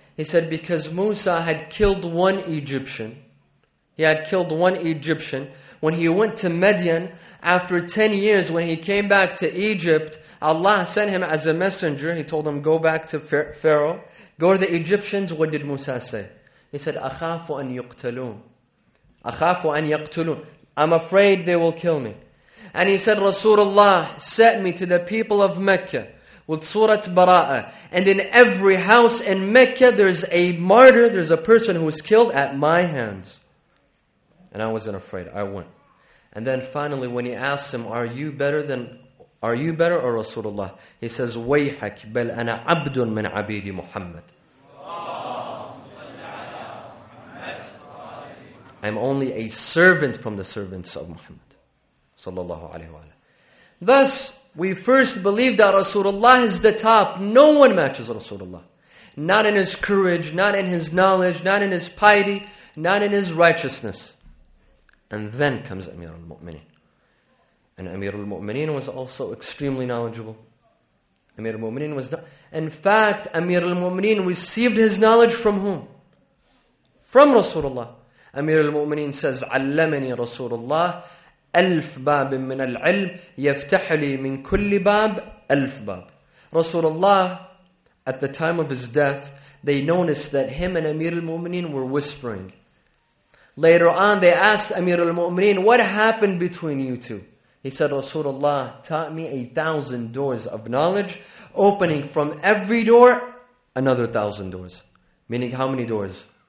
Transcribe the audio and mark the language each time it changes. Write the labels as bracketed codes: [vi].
[en] He said, because Musa had killed one Egyptian. He had killed one Egyptian. When he went to Midian, after 10 years, when he came back to Egypt, Allah sent him as a messenger. He told him, go back to Pharaoh. Go to the Egyptians. What did Musa say? He said, [ar] أخاف أن يقتلون. أخاف أن يقتلون. [en] I'm afraid they will kill me. And he said, Rasulullah sent me to the people of Mecca with Surah Bara'ah. And in every house in Mecca, there's a martyr, there's a person who was killed at my hands. And I wasn't afraid, I went. And then finally, when he asked him, are you better or Rasulullah? He says, [ar] وَيْحَكْ بَلْ أَنَا عَبْدٌ مِنْ عَبِيدِ مُحَمَّدٍ. [en] I'm only a servant from the servants of Muhammad. Sallallahu alayhi wa alayhi. Thus, we first believe that Rasulullah is the top. No one matches Rasulullah. Not in his courage, not in his knowledge, not in his piety, not in his righteousness. And then comes Amir al-Mu'mineen. And Amir al-Mu'mineen was also extremely knowledgeable. Amir al-Mu'mineen was not. In fact, Amir al-Mu'mineen received his knowledge from whom? From Rasulullah. Amir al-Mu'mineen says, [ar] عَلَّمَنِي رَسُولُ اللَّهِ ألف باب من العلم يفتح لي من كل باب ألف باب. [en] Rasulullah, at the time of his death, they noticed that him and Amir al-Mu'mineen were whispering. Later on, they asked Amir al-Mu'mineen, what happened between you two? He said, Rasulullah taught me 1,000 doors of knowledge, opening from every door another 1,000 doors. Meaning how many doors?